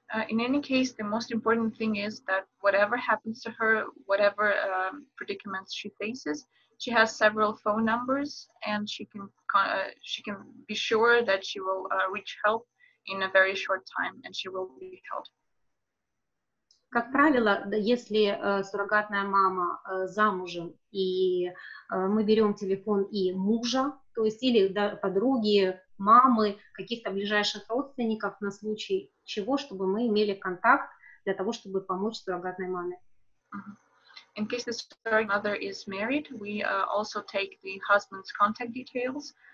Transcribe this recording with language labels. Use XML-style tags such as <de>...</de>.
<en>In any case, the most important thing is that whatever happens to her, whatever predicaments she faces, she has several phone numbers and she can be sure that she will reach help in a very short time, and she will be held.</en> <ru>Как правило, если суррогатная мама замужем, и мы берем телефон и мужа, то есть или подруги, мамы, каких-то ближайших родственников на случай чего, чтобы мы имели контакт для того, чтобы помочь суррогатной маме.</ru> <en>In case the surrogate mother is married, we also take the husband's contact details.</en>